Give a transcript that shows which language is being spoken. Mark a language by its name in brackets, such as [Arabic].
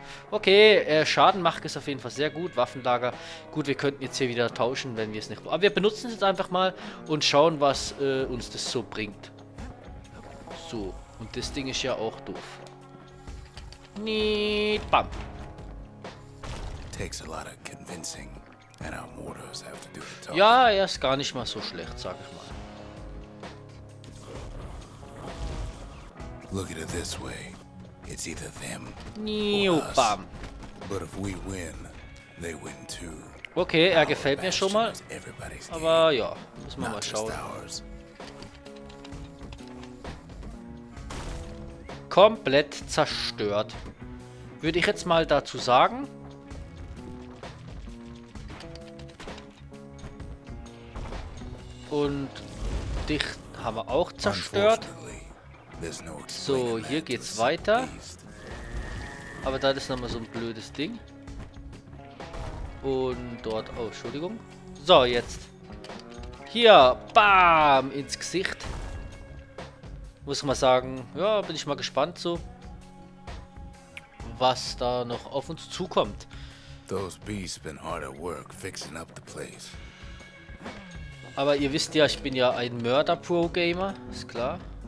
[German] Okay, Schaden macht es auf jeden Fall sehr gut. Waffenlager. Gut, wir könnten jetzt hier wieder tauschen, wenn wir es nicht... Aber wir benutzen es jetzt einfach mal und schauen, was uns das so bringt. So, und das Ding ist ja auch doof. Neeeet, bam. [English] Takes a lot of convincing, and our mortars have to do the talking. [German] Ja, er ist gar nicht mal so schlecht, sag ich mal. [English] Look at it this way. It's either them or us. Bam. But if we win, they win too. [German] Okay, er gefällt mir schon mal. Aber ja, müssen wir mal schauen. Ours. Komplett zerstört. Würde ich jetzt mal dazu sagen. Und dich haben wir auch zerstört. So, hier geht's weiter. Aber das ist nochmal so ein blödes Ding. Und dort, oh, Entschuldigung. So, jetzt. Hier, bam, ins Gesicht. Muss ich mal sagen, ja, bin ich mal gespannt so. Was da noch auf uns zukommt. [English] Those beasts been hard at work fixing up the place. [German] Aber ihr wisst ja, ich bin ja ein Mörder-Pro-Gamer, ist klar.